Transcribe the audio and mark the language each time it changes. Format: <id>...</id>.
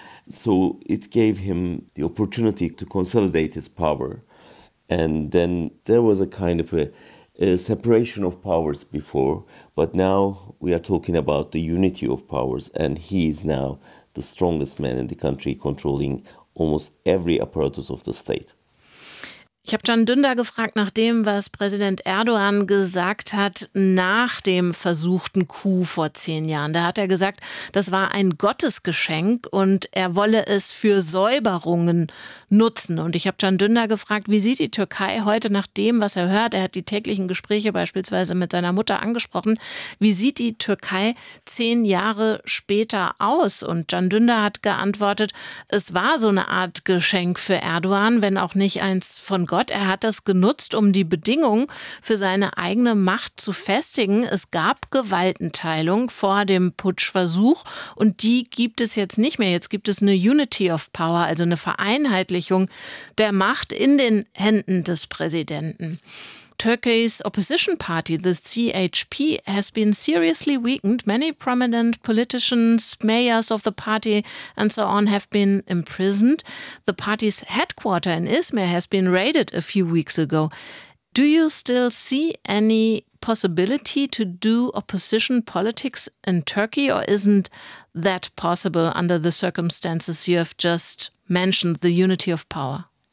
<en>So it gave him the opportunity to consolidate his power. And then there was a kind of a separation of powers before. But now we are talking about the unity of powers. And he is now the strongest man in the country, controlling almost every apparatus of the state.</en> <de>Ich habe Can Dündar gefragt nach dem, was Präsident Erdogan gesagt hat nach dem versuchten Coup vor 10 Jahren. Da hat er gesagt, das war ein Gottesgeschenk und er wolle es für Säuberungen nutzen. Und ich habe Can Dündar gefragt, wie sieht die Türkei heute nach dem, was er hört? Er hat die täglichen Gespräche beispielsweise mit seiner Mutter angesprochen. Wie sieht die Türkei 10 Jahre später aus? Und Can Dündar hat geantwortet, es war so eine Art Geschenk für Erdogan, wenn auch nicht eins von Gott. Er hat das genutzt, um die Bedingungen für seine eigene Macht zu festigen. Es gab Gewaltenteilung vor dem Putschversuch und die gibt es jetzt nicht mehr. Jetzt gibt es eine Unity of Power, also eine Vereinheitlichung der Macht in den Händen des Präsidenten.</de> <en>Turkey's opposition party, the CHP, has been seriously weakened. Many prominent politicians, mayors of the party and so on have been imprisoned. The party's headquarters in Izmir has been raided a few weeks ago. Do you still see any possibility to do opposition politics in Turkey, or isn't that possible under the circumstances you have just mentioned, the unity of power?</en>